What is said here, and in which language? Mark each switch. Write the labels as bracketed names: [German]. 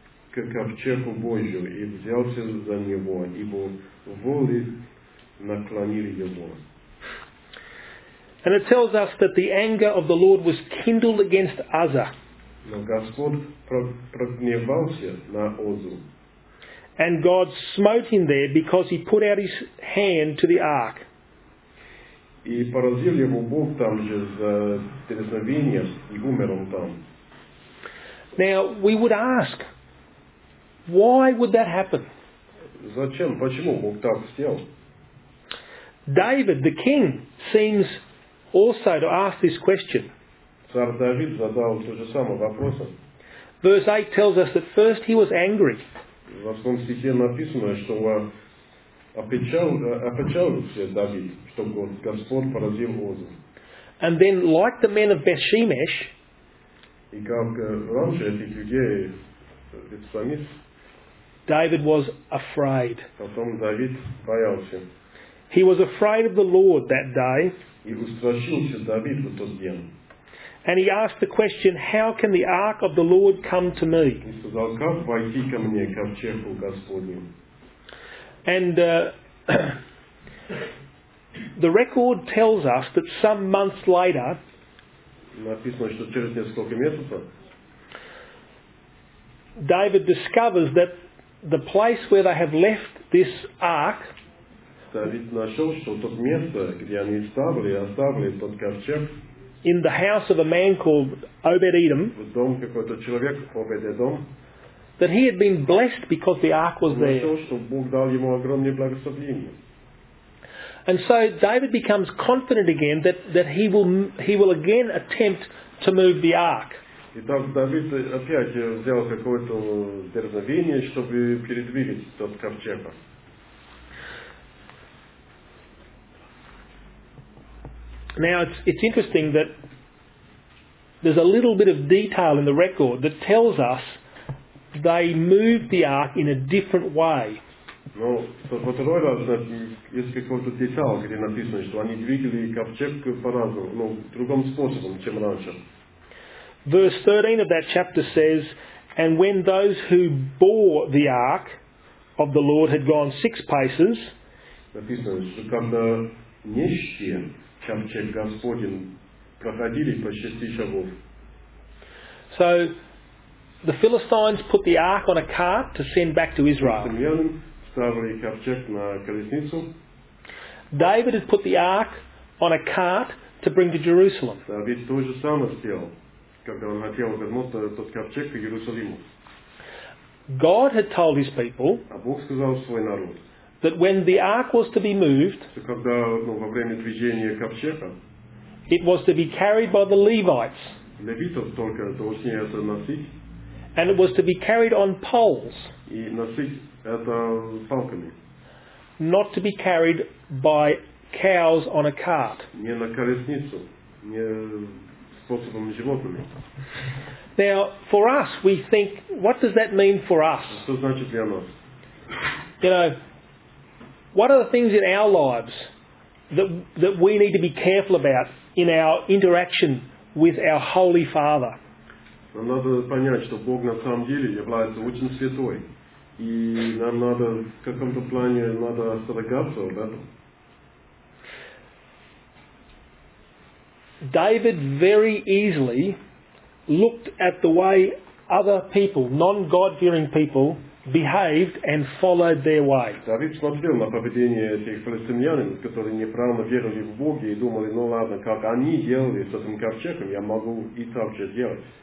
[English] And it tells us that the anger of the Lord was kindled against Uzzah. [Russian] Но Господь прогневался на Узу. [English] And God smote him there because he put out his hand to the ark. [Russian] И поразил его Бог там же за дерзновение, и умер он там. [English] Now we would ask, why would that happen? [Russian] Зачем? Почему Бог так сделал? [English] David, the king, seems also to ask this question. [Russian] Царь Давид задал тот же самый вопрос. [English] Verse 8 tells us that first he was angry. [Russian] В основном стихе написано, что опечалился Давид, что Господь поразил Оза. [English] And then, like the men of Beth Shemesh, [Russian] и как раньше этих людей, Бет-Шемес, [English] David was afraid. [Russian] Потом Давид боялся. [English] He was afraid of the Lord that day. [Russian] И устрашился Давид в тот день. [English] And he asked the question, how can the ark of the Lord come to me? [Russian] И сказал, как войти ко мне, ковчегу Господню? [English] And the record tells us that some months later, [Russian] написано, что через несколько месяцев, [English] David discovers that the place where they have left this ark, [Russian] David нашел, что тот место, где они оставили тот ковчег, [English] in the house of a man called Obed-Edom, [Russian] в дом какой-то человек, Обед-Эдом, [English] that he had been blessed because the ark was there. [Russian] Нашел, что Бог дал ему огромное благословение. [English] And so David becomes confident again that he will again attempt to move the ark. [Russian] И так Давид опять взял какое-то дерзновение, чтобы передвигать тот ковчег. [English] Now it's interesting that there's a little bit of detail in the record that tells us they moved the ark in a different way. [Russian] Ну, во второй раз есть какой-то детал, где написано, что они двигали ковчег по-разному, ну, другим способом, чем раньше. [English] Verse 13 of that chapter says, and when those who bore the ark of the Lord had gone six paces, [Russian] написано, что когда нищие ковчег Господен проходили по шести шагов. [English] So the Philistines put the ark on a cart to send back to Israel. [Russian] Ставили ковчег на колесницу. [English] David had put the ark on a cart to bring to Jerusalem. [Russian] Давид то же самое сделал, когда он хотел вернуть тот ковчег к Иерусалиму. [English] God had told his people that when the ark was to be moved, [Russian] во время движения ковчега, [English] it was to be carried by the Levites. [Russian] Левитов только должны это носить. [English] And it was to be carried on poles. [Russian] И носить это палками. [English] Not to be carried by cows on a cart. [Russian] Не на колесницу, не способом животными. [English] Now, for us, we think, what does that mean for us? [Russian] Что значит для нас? [English] You know, what are the things in our lives that we need to be careful about in our interaction with our Holy Father? [Russian] Нам надо понять, что Бог на самом деле является очень святой. И нам надо, в каком-то плане, надо остерегаться об этом. [English] David very easily looked at the way other people, non-God-fearing people, behaved and followed their way. [Russian] Давид смотрел на поведение этих филистимлян, которые неправильно верили в Бога и думали, ну ладно, как они делали с этим ковчегом, я могу и так же делать.